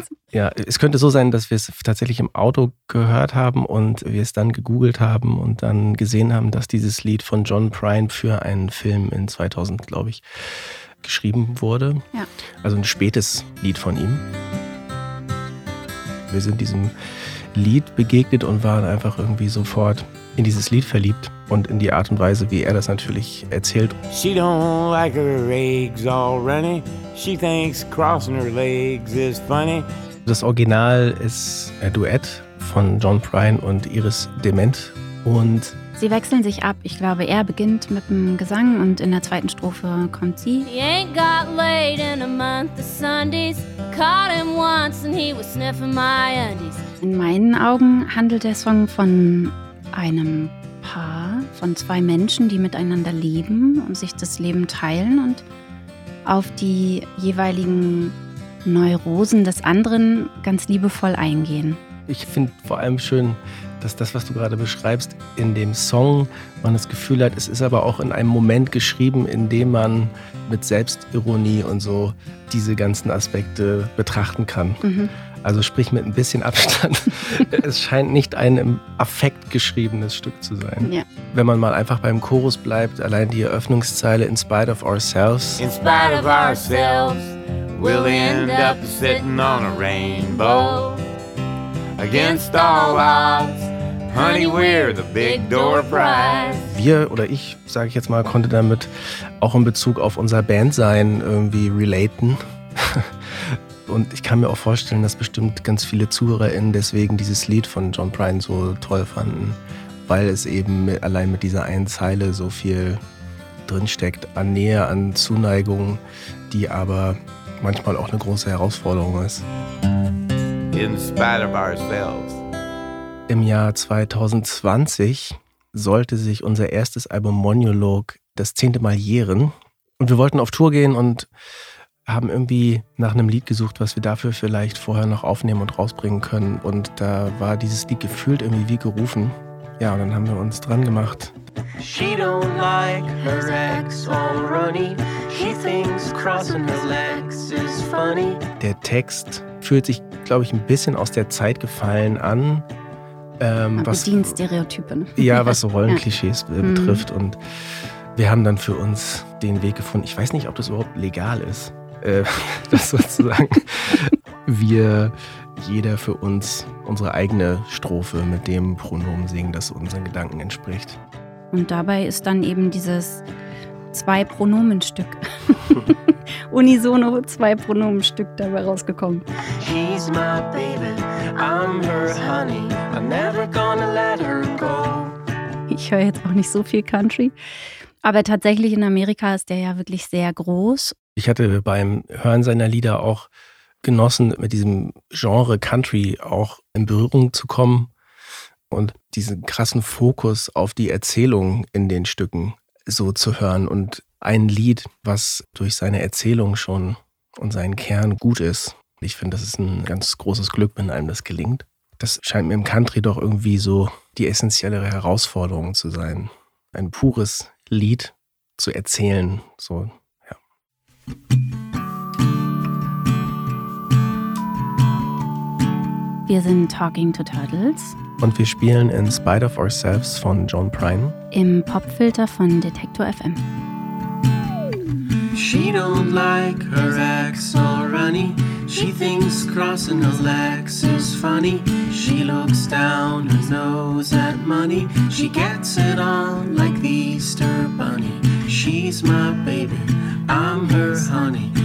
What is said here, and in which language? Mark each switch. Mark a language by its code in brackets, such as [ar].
[de] Ja, es könnte so sein, dass wir es tatsächlich im Auto gehört haben und wir es dann gegoogelt haben und dann gesehen haben, dass dieses Lied von John Prine für einen Film in 2000, glaube ich, geschrieben wurde. Ja. Also ein spätes Lied von ihm. Wir sind diesem Lied begegnet und waren einfach irgendwie sofort in dieses Lied verliebt und in die Art und Weise, wie er das natürlich erzählt. [en] She don't like her eggs all runny. She thinks crossing her legs is funny. [de] Das Original ist ein Duett von John Prine und Iris Dement und sie wechseln sich ab. Ich glaube, er beginnt mit dem Gesang und in der zweiten Strophe kommt sie. [en] He ain't got laid in a month of Sundays. Caught him once and he was sniffing my undies. [de] In meinen Augen handelt der Song von einem Paar, von zwei Menschen, die miteinander leben und sich das Leben teilen und auf die jeweiligen Neurosen des anderen ganz liebevoll eingehen. Ich finde vor allem schön, dass das, was du gerade beschreibst, in dem Song man das Gefühl hat, es ist aber auch in einem Moment geschrieben, in dem man mit Selbstironie und so diese ganzen Aspekte betrachten kann. Mhm. Also sprich mit ein bisschen Abstand. Es scheint nicht ein im Affekt geschriebenes Stück zu sein. Ja. Wenn man mal einfach beim Chorus bleibt, allein die Eröffnungszeile In Spite of Ourselves. [en] In spite of ourselves, we'll end up sitting on a rainbow. Against all odds, honey, we're the big door prize. [de] Wir oder ich, sage ich jetzt mal, konnte damit auch in Bezug auf unser Bandsein irgendwie relaten. Und ich kann mir auch vorstellen, dass bestimmt ganz viele ZuhörerInnen deswegen dieses Lied von John Prine so toll fanden, weil es eben allein mit dieser einen Zeile so viel drinsteckt an Nähe, an Zuneigung, die aber manchmal auch eine große Herausforderung ist. In spite of ourselves. Im Jahr 2020 sollte sich unser erstes Album Monologue das 10. Mal jähren. Und wir wollten auf Tour gehen und haben irgendwie nach einem Lied gesucht, was wir dafür vielleicht vorher noch aufnehmen und rausbringen können. Und da war dieses Lied gefühlt irgendwie wie gerufen. Ja, und dann haben wir uns dran gemacht. [en] She don't like her ex all runny. She thinks crossing her legs is funny. [de] Der Text fühlt sich, glaube ich, ein bisschen aus der Zeit gefallen an. Was bedient Stereotypen. Ja, was so Rollenklischees betrifft. Und wir haben dann für uns den Weg gefunden. Ich weiß nicht, ob das überhaupt legal ist. Das sozusagen wir jeder für uns unsere eigene Strophe mit dem Pronomen singen, das unseren Gedanken entspricht. Und dabei ist dann eben dieses Zwei-Pronomen-Stück, unisono Zwei-Pronomen-Stück dabei rausgekommen. [en] She's my baby, I'm her honey, I'm never gonna let her go. [de] Ich höre jetzt auch nicht so viel Country. Aber tatsächlich in Amerika ist der ja wirklich sehr groß. Ich hatte beim Hören seiner Lieder auch genossen, mit diesem Genre Country auch in Berührung zu kommen und diesen krassen Fokus auf die Erzählung in den Stücken so zu hören. Und ein Lied, was durch seine Erzählung schon und seinen Kern gut ist. Ich finde, das ist ein ganz großes Glück, wenn einem das gelingt. Das scheint mir im Country doch irgendwie so die essentiellere Herausforderung zu sein. Ein pures Lied zu erzählen. So, ja. Wir sind Talking to Turtles. Und wir spielen In Spite of Ourselves von John Prine. Im Popfilter von Detektor FM. [en] She don't like her axe all runny. She thinks crossing her legs is funny. She looks down her nose at money. She gets it on like the Easter bunny. She's my baby, I'm her honey.